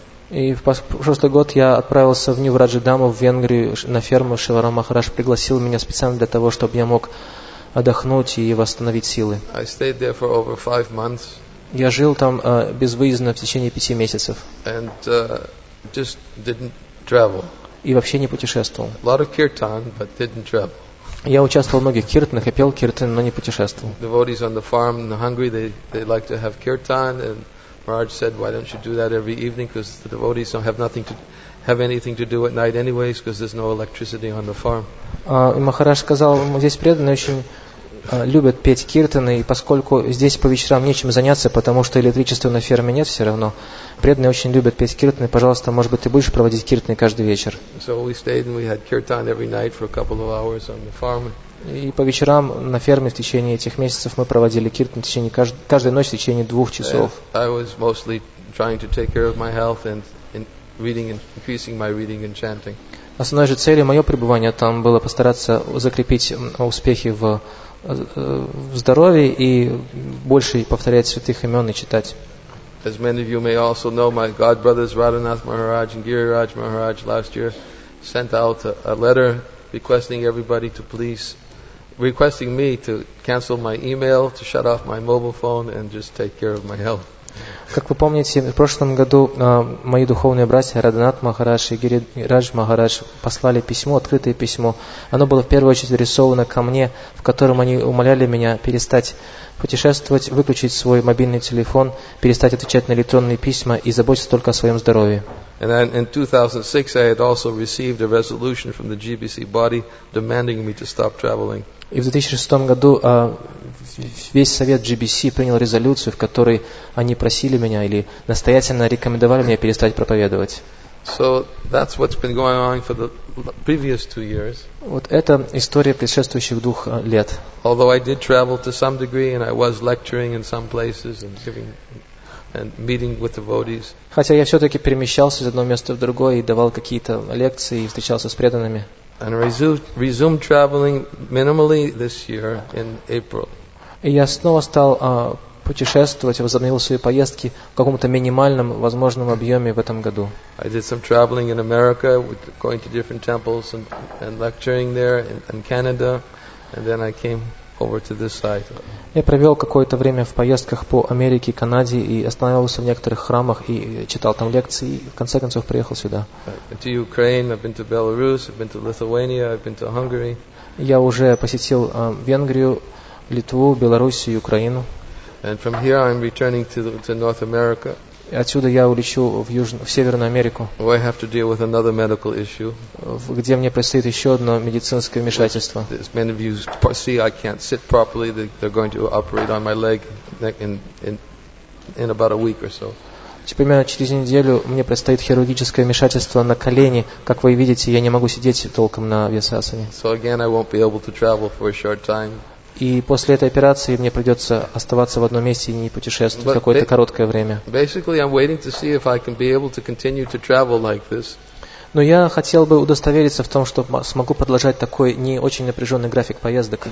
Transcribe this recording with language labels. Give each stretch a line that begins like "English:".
Russian: И в прошлый год я отправился в Нью-Раджа-Даму в Венгрию на ферму. Шиварам Махарадж пригласил меня специально для того, чтобы я мог отдохнуть и восстановить силы.
English: I stayed there for over 5 months.
Russian: Я жил там безвыездно в течение 5 месяцев.
English: And, just didn't travel.
Russian: И вообще не путешествовал.
English: A lot of kirtan, but didn't travel.
Russian: Я участвовал в многих киртанах, я пел киртан, но не путешествовал.
English: Devotees on the farm in Hungary, they like to have kirtan, and Maharaj said, why don't you do that every evening, because the devotees don't have nothing to have anything to do at night anyways, because there's no electricity on the farm.
Russian: Махарадж сказал, здесь преданные очень любят петь киртаны, и поскольку здесь по вечерам нечем заняться, потому что электричества на ферме нет все равно, преданные очень любят петь киртаны, пожалуйста, может быть, ты будешь проводить киртаны каждый вечер.
English: So we stayed and we had kirtan every night for a couple of hours on the farm.
Russian: И по вечерам на ферме в течение этих месяцев мы проводили киртан в течение каждой ночи в течение 2 часов.
English: I was mostly trying to take care of my health and reading and increasing my reading and chanting.
Russian: Основной же целью моего пребывания там было постараться закрепить успехи в здоровье и больше повторять святых имен и читать.
English: As many of you may also know, my god brothers Radhanath Maharaj and Giriraj Maharaj last year sent out a letter requesting everybody to please requesting me to cancel my email, to shut off my mobile phone, and just take care of my health.
Russian: Как вы помните, в прошлом году мои духовные братья Радханат Махарадж и Гирирадж Махарадж послали письмо, открытое письмо. Оно было в первую очередь адресовано ко мне, в котором они умоляли меня перестать путешествовать, выключить свой мобильный телефон, перестать отвечать на электронные письма и заботиться только о своем здоровье.
English: And then in 2006, I had also received a resolution from the GBC body demanding me to stop traveling.
Russian: И в 2006 году весь совет GBC принял резолюцию, в которой они просили меня или настоятельно рекомендовали мне перестать проповедовать.
English: So that's what's been going on for the previous 2 years.
Russian: Вот это история предшествующих 2 лет.
English: Although I did travel to some degree and I was lecturing in some places and giving and meeting with devotees.
Russian: Хотя я всё-таки перемещался из одного места в другое и давал какие-то лекции и встречался с преданными.
English: And resumed traveling minimally this year in April.
Russian: И я снова стал путешествовать, возобновил свои поездки в каком-то минимальном возможном объеме в этом году.
English: I did some traveling in America, going to different temples and lecturing there in Canada, and then I came over to this site.
Russian: Я провел какое-то время в поездках по Америке, Канаде и останавливался в некоторых храмах и читал там лекции и в конце концов приехал сюда.
English: To Ukraine, I've been to Belarus, I've been to Lithuania, I've been to Hungary.
Russian: Я уже посетил Венгрию, Литву, Белоруссию, Украину.
English: And from here I'm returning to North America.
Russian: Отсюда я улечу в Северную Америку.
English: Where I have to deal with another medical issue.
Russian: Где мне предстоит еще одно медицинское вмешательство.
English: As many of you see, I can't sit properly. They're going to operate on my leg in about a week or so.
Russian: Примерно через неделю мне предстоит хирургическое вмешательство на колени. Как вы видите, я не могу сидеть толком на Висасане.
English: So again, I won't be able to travel for a short time.
Russian: И после этой операции мне придется оставаться в одном месте и не путешествовать какое-то короткое время.
English: Basically, I'm waiting to see if I can be able to continue to travel like this.
Russian: Но я хотел бы удостовериться в том, что смогу продолжать такой не очень напряженный график поездок.